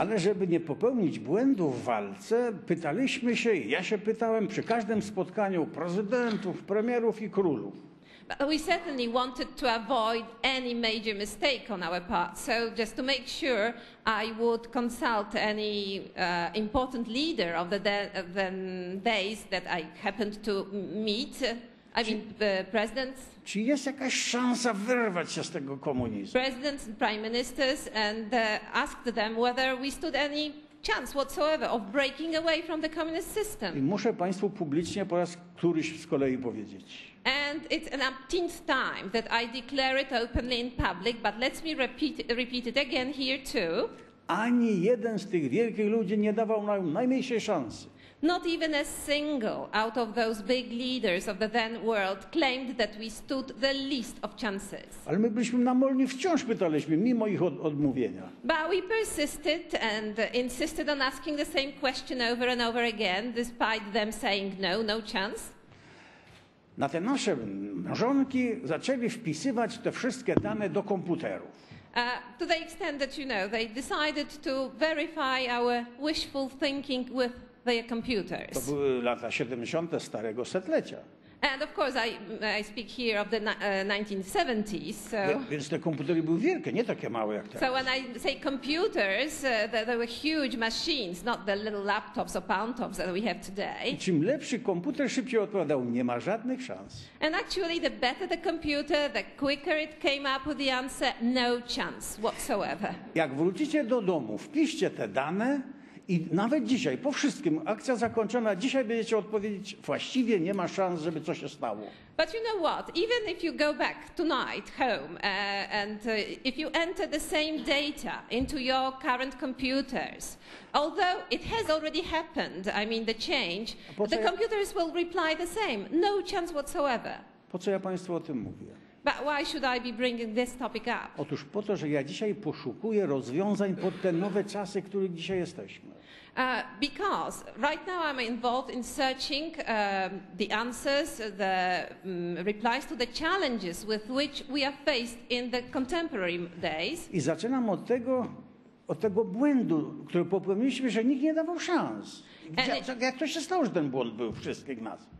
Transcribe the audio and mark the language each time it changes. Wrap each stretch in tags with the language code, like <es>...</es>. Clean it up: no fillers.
<pl>Ale żeby nie popełnić błędów w walce, pytaliśmy się, ja się pytałem przy każdym spotkaniu prezydentów, premierów i królów.</pl> <en>But we certainly wanted to avoid any major mistake on our part. So just to make sure, I would consult any important leader of the then days that I happened to meet. The presidents.</en> <pl>Czy jest jakaś szansa wyrwać się z tego komunizmu?</pl> <en>Presidents and prime ministers, and asked them whether we stood any chance whatsoever of breaking away from the communist system.</en> <pl>I muszę państwu publicznie po raz któryś z kolei powiedzieć.</pl> <en>And it's an umpteenth time that I declare it openly in public, but let me repeat it again here too.</en> <pl>Ani jeden z tych wielkich ludzi nie dawał nam najmniejszej szansy.</pl> <en>Not even a single out of those big leaders of the then world claimed that we stood the least of chances.</en> <pl>Ale my byliśmy namolni, wciąż pytaliśmy, mimo ich odmówienia.</pl> <en>But we persisted and insisted on asking the same question over and over again, despite them saying no, no chance.</en> <pl>Na te nasze mrzonki zaczęli wpisywać te wszystkie dane do komputerów.</pl> <en>To the extent that you know, they decided to verify our wishful thinking with their computers.</en> <pl>To były lata 70. starego setlecia.</pl> <en>And of course I speak here of the 1970s. So.</en> <pl>Więc te komputery były wielkie, nie takie małe jak teraz.</pl> <en>So when I say computers, they were huge machines, not the little laptops or pantofs that we have today.</en> <pl>I czym lepszy komputer, szybciej odpowiadał, nie ma żadnych szans.</pl> <en>And actually the better the computer, the quicker it came up with the answer, no chance whatsoever.</en> <pl>Jak wrócicie do domu, wpiszcie te dane I nawet dzisiaj, po wszystkim, akcja zakończona, dzisiaj będziecie odpowiedzieć, właściwie nie ma szans, żeby coś się stało.</pl> <en>But you know what? Even if you go back tonight home and if you enter the same data into your current computers, although it has already happened, I mean the change, the computers will reply the same. No chance whatsoever.</en> <pl>Po co ja Państwu o tym mówię?</pl> <en>But why should I be bringing this topic up?</en> <pl>Otóż po to, że ja dzisiaj poszukuję rozwiązań pod te nowe czasy, w których dzisiaj jesteśmy.</pl> <en>Because right now I'm involved in searching the answers, the replies to the challenges with which we are faced in the contemporary days.</en> <pl>I zaczynam od tego błędu, który popełniliśmy, że nikt nie dawał szans. Jak to się stało, że ten błąd był wszystkich nas?</pl>